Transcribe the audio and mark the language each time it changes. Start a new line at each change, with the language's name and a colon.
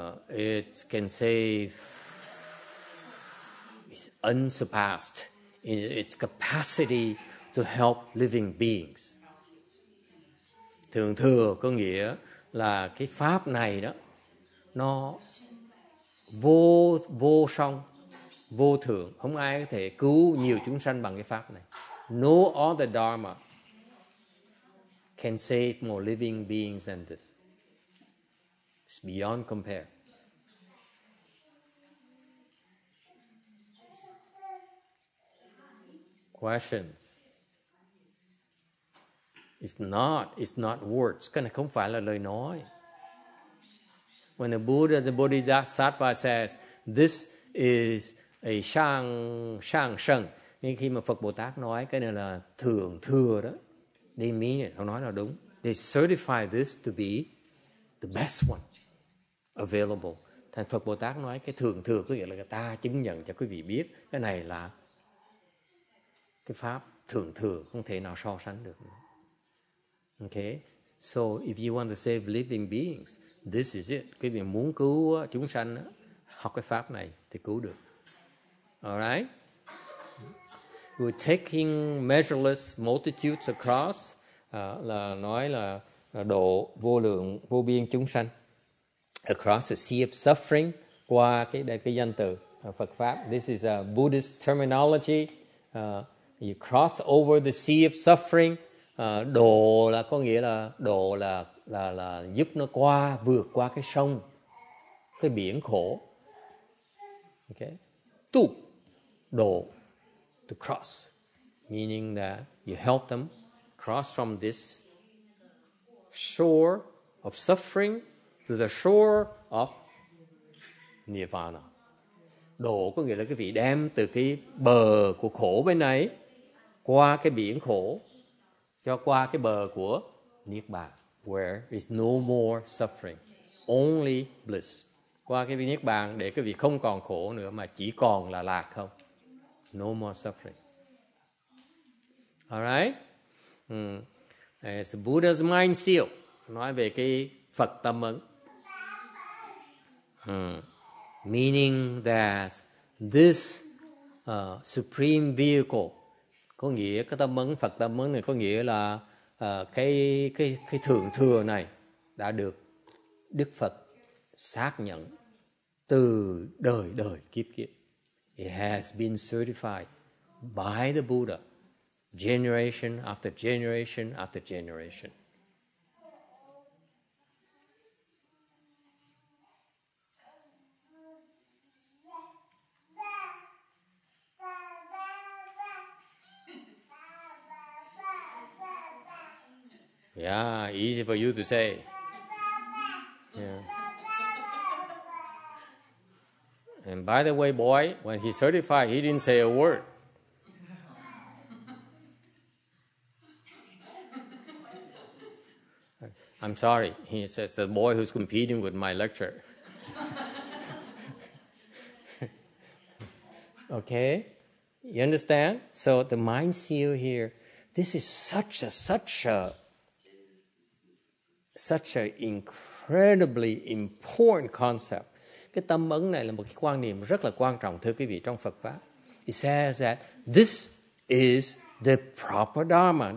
English: It can save. It's unsurpassed in its capacity to help living beings.
Vietnamese: Thượng thừa có nghĩa là cái pháp này đó nó vô song, vô thượng, không ai có thể cứu nhiều chúng sanh bằng cái pháp này.
English: No other dharma can save more living beings than this. It's beyond compare. Questions? It's not words.
Vietnamese: Cái này không phải là lời nói.
English: When the Buddha, the Bodhisattva says, this is a shang sheng.
Vietnamese: Nhưng khi mà Phật Bồ Tát nói cái này là thượng thừa đó,
English: they mean it,
Vietnamese: không nói là đúng.
English: They certify this to be the best one available.
Vietnamese: Thành Phật Bồ Tát nói cái thượng thừa có nghĩa là người ta chứng nhận cho quý vị biết cái này là cái pháp thượng thừa, không thể nào so sánh được.
English: Okay, so if you want to save living beings, this is it.
Vietnamese: Quý vị muốn cứu chúng sanh, học cái pháp này thì cứu được. Alright?
English: We're taking measureless multitudes across,
Vietnamese: là nói là độ vô lượng, vô biên chúng sanh.
English: Across the sea of suffering,
Vietnamese: qua cái danh từ Phật Pháp.
English: This is a Buddhist terminology. You cross over the sea of suffering.
Vietnamese: Độ là có nghĩa là độ là giúp nó qua, vượt qua cái sông, cái biển khổ.
English: Okay. Tu, độ, to cross, meaning that you help them cross from this shore of suffering to the shore of Nirvana.
Vietnamese: Độ có nghĩa là cái vị đem từ cái bờ của khổ bên này qua cái biển khổ cho qua cái bờ của Niết Bàn,
English: where is no more suffering, only bliss.
Vietnamese: Qua cái Niết Bàn để cái vị không còn khổ nữa mà chỉ còn là lạc không.
English: No more suffering. Alright? It's the Buddha's mind seal.
Vietnamese: Nói về cái Phật tâm ấn.
English: Meaning that this supreme vehicle,
Vietnamese: có nghĩa cái tâm ấn, Phật tâm ấn này có nghĩa là cái thượng thừa này đã được Đức Phật xác nhận từ đời đời kiếp kiếp.
English: It has been certified by the Buddha generation after generation after generation. Yeah, easy for you to say. Yeah. And by the way, boy, when he certified, he didn't say a word. I'm sorry, he says, the boy who's competing with my lecture. Okay, you understand? So the mind seal here, this is such a incredibly important concept.
Vietnamese: Cái tâm ấn này là một cái quan niệm rất là quan trọng, thưa quý vị, trong Phật Pháp.
English: It says that this is the proper Dharma.